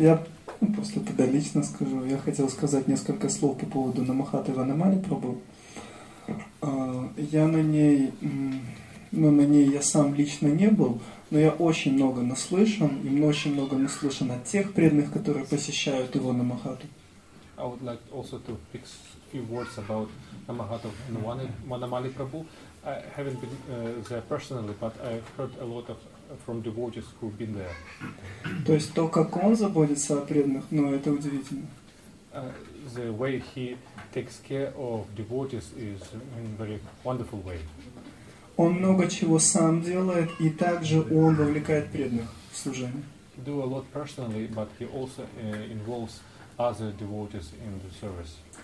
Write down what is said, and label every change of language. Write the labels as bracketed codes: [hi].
[ru] Я просто тогда лично скажу. Я хотел сказать несколько слов по поводу намахаты в Анамали Прабу. Я на ней... Ну, на ней я сам лично не был, но я очень много наслышан, и очень много наслышан от тех преданных, которые посещают его намахату. [en] I would like also to pick a few words about Namahata Anamali Prabhu. I haven't been there personally, but I've heard a lot of from devotees who've been there. [ru] То есть то, как он заботится о преданных, это удивительно. [en] The way he takes care of devotees is in a very wonderful way. [ru] Он много чего сам делает, и также он вовлекает преданных в служение. [en] He do a lot personally, but he also involves other devotees in the service.